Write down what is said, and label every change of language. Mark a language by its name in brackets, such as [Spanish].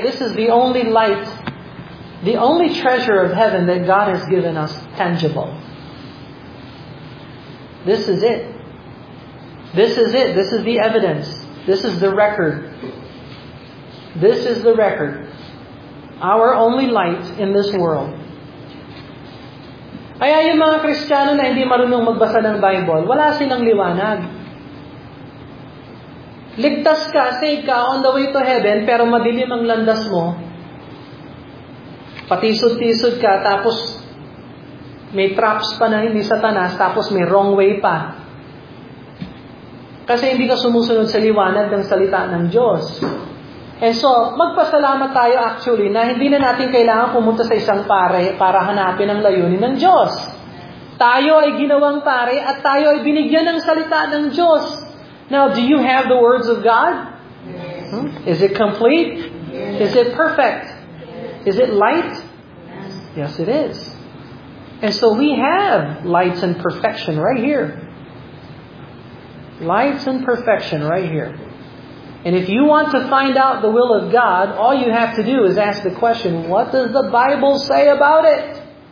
[English] This is the only light, the only treasure of heaven that God has given us tangible. This is it. This is it. This is the evidence. This is the record. This is the record. Our only light in this world. [Filipino] Kaya yung mga Kristiyano na hindi marunong magbasa ng Bible, wala silang liwanag. Ligtas ka, save ka, [English] on the way to heaven, [Filipino] pero madilim ang landas mo. Patisod-tisod ka, tapos may traps pa na ni Satanas, tapos may wrong way pa. Kasi hindi ka sumusunod sa liwanag ng salita ng Diyos. And so, magpasalamat tayo actually na hindi na natin kailangan pumunta sa isang pare para hanapin ang layunin ng Diyos. Tayo ay ginawang pare at tayo ay binigyan ng salita ng Diyos. [English] Now, do you have the words of God? Yes. Is it complete? Yes. Is it perfect? Yes. Is it light? Yes. Yes, it is. And so we have lights and perfection right here. Lights and perfection right here. And if you want to find out the will of God, all you have to do is ask the question, what does the Bible say about it?